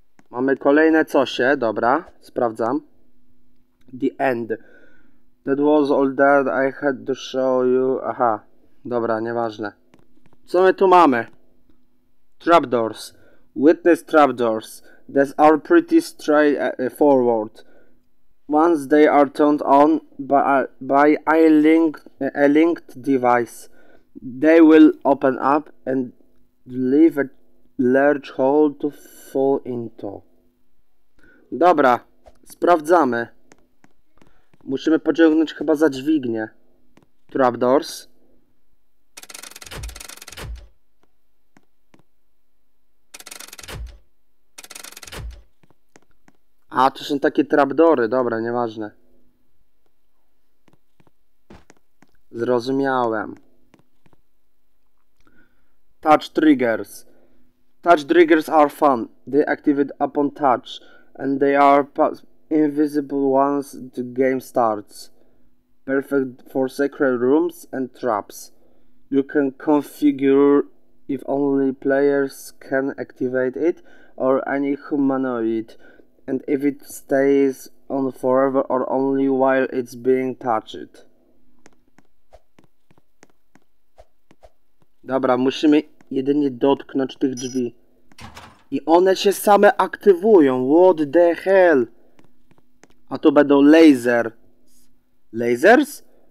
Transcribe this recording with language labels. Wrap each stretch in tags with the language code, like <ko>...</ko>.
<pl>Mamy kolejne cosie, dobra, sprawdzam.</pl> <en>The end. That was all that I had to show you.</en> <pl>Aha, dobra, nieważne. Co my tu mamy? Trapdoors.</pl> <en>Witness trapdoors. These are pretty straightforward. Once they are turned on by a linked device, they will open up and leave a large hole to fall into.</en> <pl>Dobra, sprawdzamy. Musimy pociągnąć chyba za dźwignię.</pl> <en>Trapdoors.</en> <pl>A, to są takie trapdory. Dobra, nieważne. Zrozumiałem.</pl> <en>Touch triggers. Touch triggers are fun. They activate upon touch. And they are invisible once the game starts. Perfect for secret rooms and traps. You can configure if only players can activate it or any humanoid. And if it stays on forever or only while it's being touched.</en> <pl>Dobra, musimy jedynie dotknąć tych drzwi. I one się same aktywują.</pl> <en>What the hell?</en> <pl>A to będą laser. Lasers?</pl>